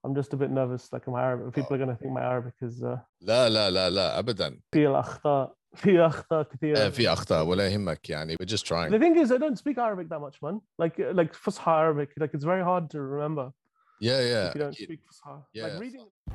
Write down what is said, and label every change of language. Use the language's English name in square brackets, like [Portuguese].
[English] I'm just a bit nervous, like my Arabic. People are going to think my Arabic is. [Arabic] لا لا لا لا أبدا. في الأخطاء في أخطاء كثيرة. في أخطاء ولا يهمك يعني. [English] We're just trying. The thing is, I don't speak Arabic that much, man. Like فصحى Arabic. Like it's very hard to remember. Yeah, yeah. If you don't speak فصحى. Yeah. Like reading.